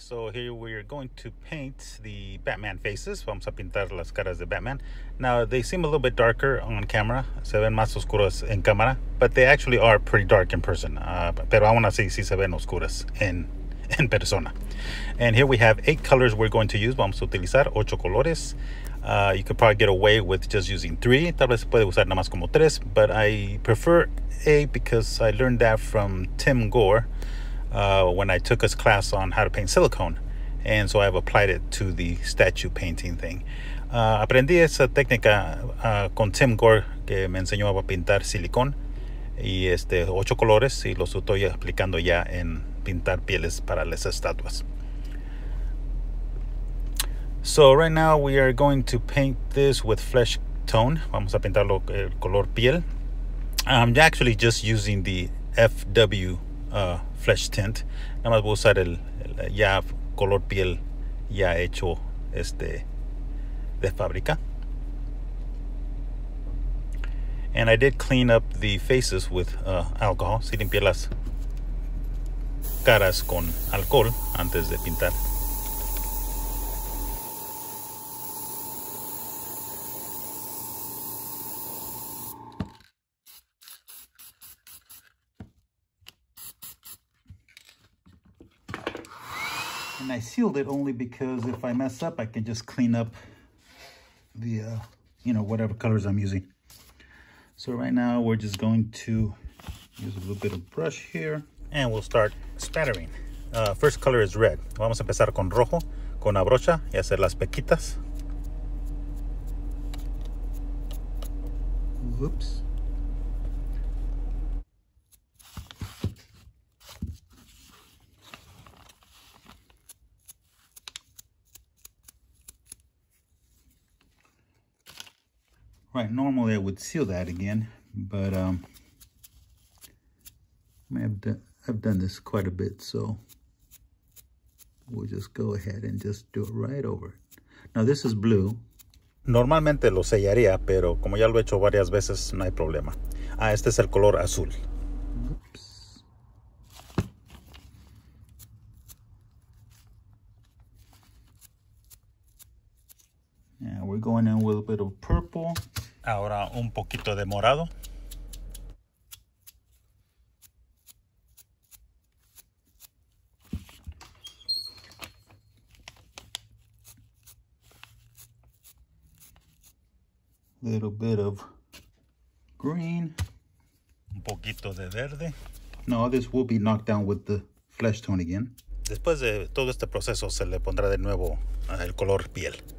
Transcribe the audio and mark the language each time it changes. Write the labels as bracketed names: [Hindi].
[English] So here we're going to paint the Batman faces. [Spanish] Vamos a pintar las caras de Batman. [English] Now, they seem a little bit darker on camera. [Spanish] Se ven más oscuras en cámara. [English] But they actually are pretty dark in person. [Spanish] Pero aún así, sí se ven oscuras en persona. [English] And here we have 8 colors we're going to use. [Spanish] Vamos a utilizar 8 colores. [English] You could probably get away with just using 3. [Spanish] Tal vez se puede usar nada más como 3. [English] But I prefer 8 because I learned that from Tim Gore. When I took his class on how to paint silicone. And so I've applied it to the statue painting thing. [Spanish] Aprendí esa técnica con Tim Gore, que me enseñó a pintar silicón. Y 8 colores, y los estoy aplicando ya en pintar pieles para las estatuas. [English] So right now we are going to paint this with flesh tone. [Spanish] Vamos a pintarlo el color piel. [English] I'm actually just using the FW flesh tint. [Spanish] Nada más voy a usar el ya color piel ya hecho de fábrica. [English] And I did clean up the faces with alcohol. [Spanish] Sí limpié las caras con alcohol antes de pintar. [English] And I sealed it only because if I mess up, I can just clean up the, whatever colors I'm using. So right now we're just going to use a little bit of brush here and we'll start spattering. First color is red. [Spanish] Vamos a empezar con rojo, con una brocha y hacer las pequitas. [English] Whoops. Right, normally I would seal that again, but I've done this quite a bit, so we'll just go ahead and just do it right over. Now this is blue. [Spanish] Normalmente lo sellaría, pero como ya lo he hecho varias veces, no hay problema. Ah, este es el color azul. [English] Oops. Yeah, we're going in with a bit of purple. [Spanish] Ahora un poquito de morado. [English] Little bit of green. [Spanish] Un poquito de verde. [English] No, this will be knocked down with the flesh tone again. [Spanish] Después de todo este proceso se le pondrá de nuevo el color piel.